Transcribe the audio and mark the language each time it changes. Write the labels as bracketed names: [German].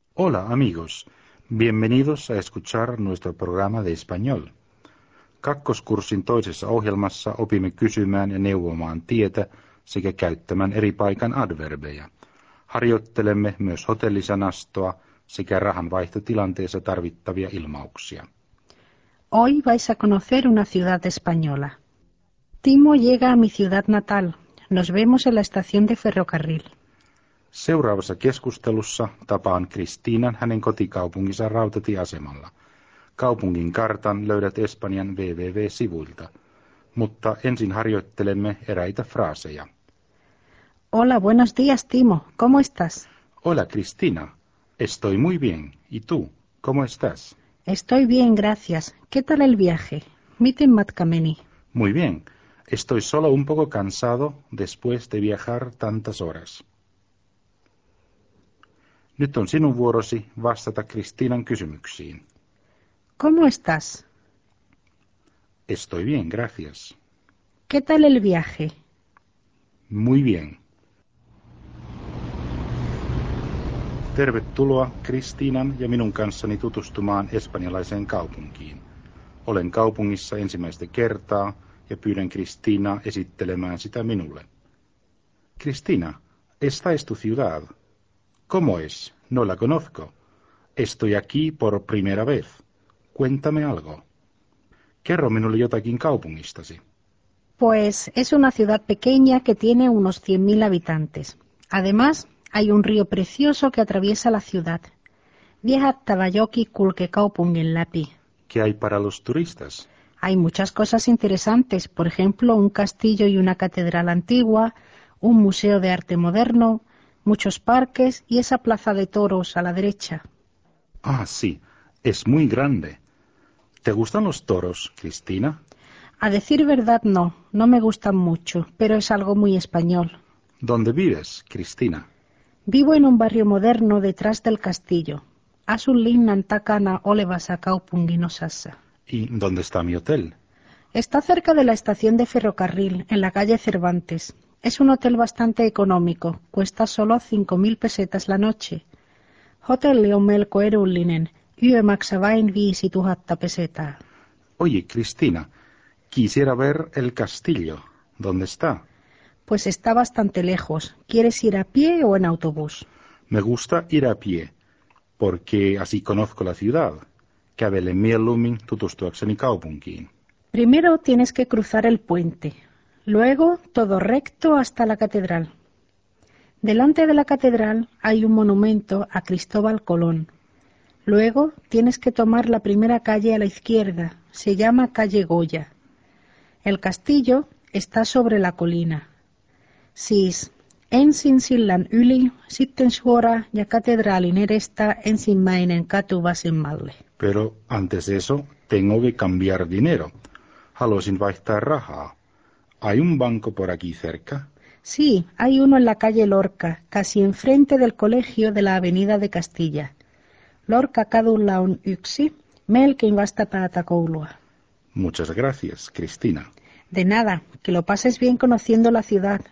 [Spanish] Hola amigos, bienvenidos a escuchar nuestro programa de español. [Finnish] Kakkoskurssin toisessa ohjelmassa opimme kysymään ja neuvomaan tietä sekä käyttämään eri paikan adverbeja. Harjoittelemme myös hotellisanastoa sekä rahanvaihtotilanteessa tarvittavia ilmauksia. [Spanish] Hoy vais a conocer una ciudad española. Timo llega a mi ciudad natal. Nos vemos en la estación de ferrocarril. [Finnish] Seuraavassa keskustelussa tapaan Kristiinan hänen kotikaupunginsa rautatieasemalla. Kaupungin kartan löydät Espanjan www-sivuilta. Mutta ensin harjoittelemme eräitä fraaseja. [Spanish] Hola, buenos días, Timo. ¿Cómo estás? Hola, Cristina. Estoy muy bien. ¿Y tú? ¿Cómo estás? Estoy bien, gracias. ¿Qué tal el viaje? [Finnish] Miten matkameni. [Spanish] Muy bien. Estoy solo un poco cansado después de viajar tantas horas. [Finnish] Nyt on sinun vuorosi vastata Kristiinan kysymyksiin. [Spanish] ¿Cómo estás? Estoy bien, gracias. ¿Qué tal el viaje? Muy bien. [Finnish] Tervetuloa Kristiinan ja minun kanssani tutustumaan espanjalaiseen kaupunkiin. Olen kaupungissa ensimmäistä kertaa ja pyydän Kristiinaa esittelemään sitä minulle. [Spanish] Kristiina, ¿esta es tu ciudad? ¿Cómo es? No la conozco. Estoy aquí por primera vez. Cuéntame algo. [Finnish] Kerro minulle jotakin kaupungistasi. [Spanish] Pues es una ciudad pequeña que tiene unos 100.000 habitantes. Además, hay un río precioso que atraviesa la ciudad. [Finnish] Viehättävä joki kulkee kaupungin läpi. [Spanish] ¿Qué hay para los turistas? Hay muchas cosas interesantes, por ejemplo, un castillo y una catedral antigua, un museo de arte moderno, muchos parques y esa plaza de toros a la derecha. Ah, sí, es muy grande. ¿Te gustan los toros, Cristina? A decir verdad, no, no me gustan mucho, pero es algo muy español. ¿Dónde vives, Cristina? Vivo en un barrio moderno detrás del castillo. [Finnish] Asun linnan takana olevassa kaupunginosassa. [Spanish] ¿Y dónde está mi hotel? Está cerca de la estación de ferrocarril, en la calle Cervantes. Es un hotel bastante económico, cuesta solo 5.000 pesetas la noche. [Finnish] Hotel on melko edullinen, yö maksaa vain 5.000 pesetaa. [Spanish] Oye, Cristina, quisiera ver el castillo. ¿Dónde está? Pues está bastante lejos. ¿Quieres ir a pie o en autobús? Me gusta ir a pie, porque así conozco la ciudad. [Finnish] Kävele mieluummin tutustuakseni kaupunkiin. [Spanish] Primero tienes que cruzar el puente. Luego, todo recto hasta la catedral. Delante de la catedral hay un monumento a Cristóbal Colón. Luego, tienes que tomar la primera calle a la izquierda. Se llama calle Goya. El castillo está sobre la colina. [Finnish] Siis, ensin sillan yli, sitten suora ja katedraalin edestä ensimmäinen katu vasemmalle. [Spanish] Pero antes de eso, tengo que cambiar dinero. [Finnish] Haluaisin vaihtaa rahaa. [Spanish] ¿Hay un banco por aquí cerca? Sí, hay uno en la calle Lorca, casi enfrente del colegio de la avenida de Castilla. [Finnish] Lorca kadulla on yksi, melkein vastapäätä koulua. [Spanish] Muchas gracias, Cristina. De nada, que lo pases bien conociendo la ciudad.